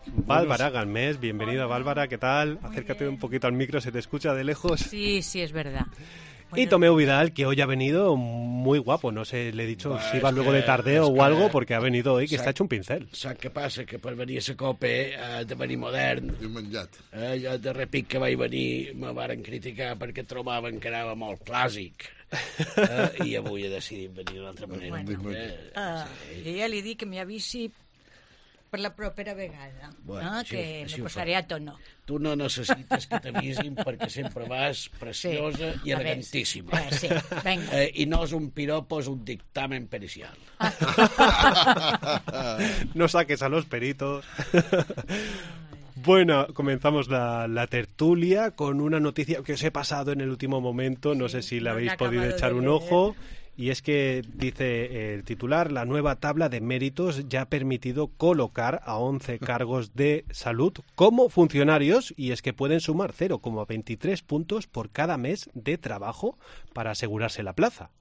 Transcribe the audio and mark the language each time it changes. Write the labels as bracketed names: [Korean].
[Spanish] Bárbara Galmés. Bienvenida, Bárbara. ¿Qué tal? Muy Acércate bien. Un poquito al micro, se te escucha de lejos. Sí, sí, es verdad. Y Tomeu Vidal, que hoy ha venido muy guapo. No sé, le he dicho si iba luego de tardeo o algo, porque ha venido hoy, que está hecho un pincel. ¿Sabes qué pasa? Que [Catalan] per venir a la COPE, de venir modern. I menjat. Jo de repic que vaig venir, me varen criticar perquè trobaven que anava molt clàssic. I avui he decidit venir d'una altra manera. Bueno, jo ja li dic que m'avisi per la propera vegada, bueno, no? Així, que així me posaré a tono. Tu no necessites que t'avisin perquè sempre vas preciosa sí. i elegantíssima. Sí. I no és un piropo, és un dictamen pericial. [Spanish] No saques a los peritos. Bueno, comenzamos la tertulia con una noticia que os he pasado en el último momento. No sé si la habéis podido echar un ojo. Y es que, dice el titular, la nueva tabla de méritos ya ha permitido colocar a 11 cargos de salud como funcionarios, y es que pueden sumar 0,23 puntos por cada mes de trabajo para asegurarse la plaza.